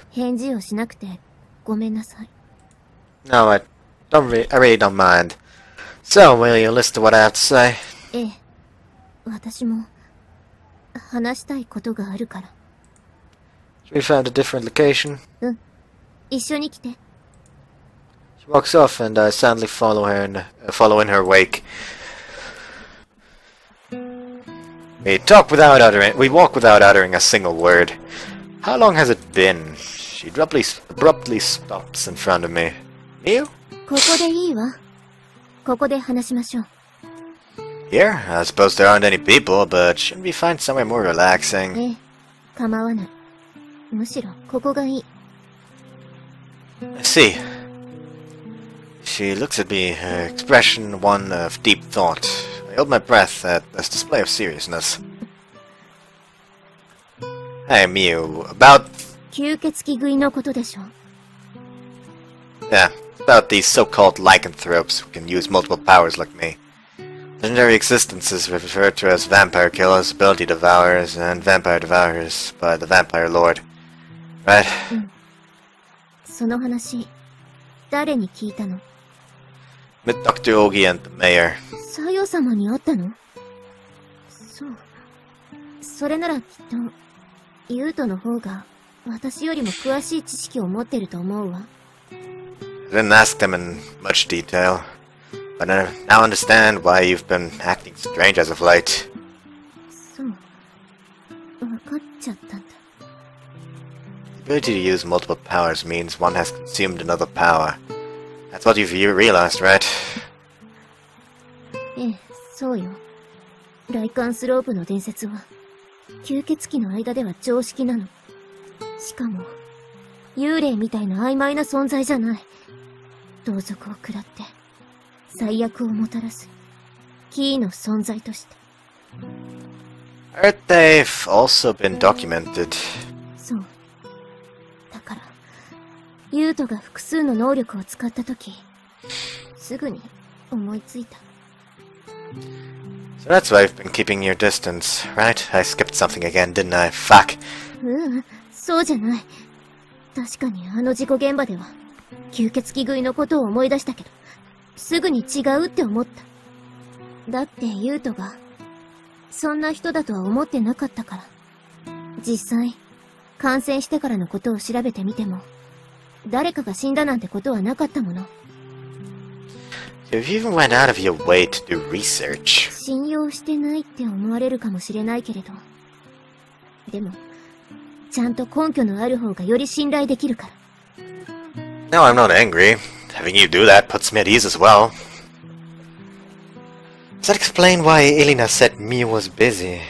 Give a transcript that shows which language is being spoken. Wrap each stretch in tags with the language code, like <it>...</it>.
<ja>返事をしなくてごめんなさい。</ja> <en>No, I really don't mind. So, will you listen to what I have to say?</en> <ja>ええ。私も話したいことがあるから。</ja> <en>Should we find a different location?</en> <ja>うん。一緒に来て。</ja> <en>She walks off and I sadly follow in her wake. We walk without uttering a single word. How long has it been? She abruptly stops in front of me. Mew?</en> <ja>ここでいいわ。ここで話しましょう。</ja> <en>Here? I suppose there aren't any people, but shouldn't we find somewhere more relaxing?</en> <ja>ええ、構わない。むしろここがいい。</ja> <en>I see. She looks at me, her expression one of deep thought. I hold my breath at this display of seriousness. Hey, Mew, about...</en> <ja>吸血鬼食いのことでしょ?</ja> <en>Yeah, about these so-called lycanthropes who can use multiple powers like me. Legendary existences referred to as vampire killers, ability devourers, and vampire devourers by the vampire lord. Right?</en> <ja>その話、誰に聞いたの?</ja> <en>Met Dr. Ogi and the mayor.</en> <ja>サヨ様に会ったの?そう。それならきっと…ユートの方が私よりも詳しい知識を持ってると思うわ。</ja> <en>I didn't ask them in much detail, but I now understand why you've been acting strange as of late.</en> <ja>そう、分かっちゃったんだ。</ja> <en>The ability to use multiple powers means one has consumed another power. That's what you've realized, right?</en> <ja>ええ、そうよ。ライカンスロープの伝説は。吸血鬼の間では常識なの。しかも、幽霊みたいな曖昧な存在じゃない。同族を喰らって、最悪をもたらす、キーの存在として。</ja> <en>Aren't they've also been documented?</en> <ja>そう。だから、ユートが複数の能力を使ったとき、すぐに思いついた。</ja> <en>So that's why you've been keeping your distance, right? I skipped something again, didn't I? Fuck!</en> <ja>そうじゃない。確かにあの事故現場では、吸血鬼食いのことを思い出したけど、すぐに違うって思った。だってユートが、そんな人だとは思ってなかったから。実際、感染してからのことを調べてみても、誰かが死んだなんてことはなかったもの。</ja> <en>If you even went out of your way to do research.</en> <ja>信用してないって思われるかもしれないけれど。でも、ちゃんと根拠のある方がより信頼できるから。</ja> <en>No, I'm not angry. Having you do that puts me at ease as well. Does that explain why Elena said Mew was busy?</en>